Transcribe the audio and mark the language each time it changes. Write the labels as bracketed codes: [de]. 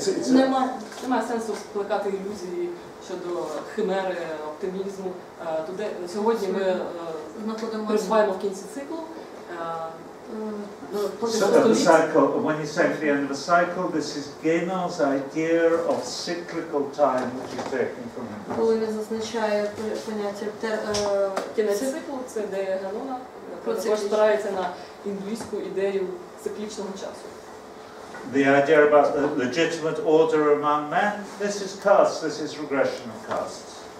[uk] Немає сенсу скликати ілюзії щодо химери, оптимізму. Сьогодні ми перебуваємо в кінці циклу. [en] When you say the end of a cycle, this is Genon's idea of cyclical time, which is taken from him. [uk] Коли він зазначає поняття кінець циклу, це ідея Генона. Також спирається на індуїстську ідею циклічного часу. [en] The idea about the legitimate order among men, this is caste, this is regression of castes.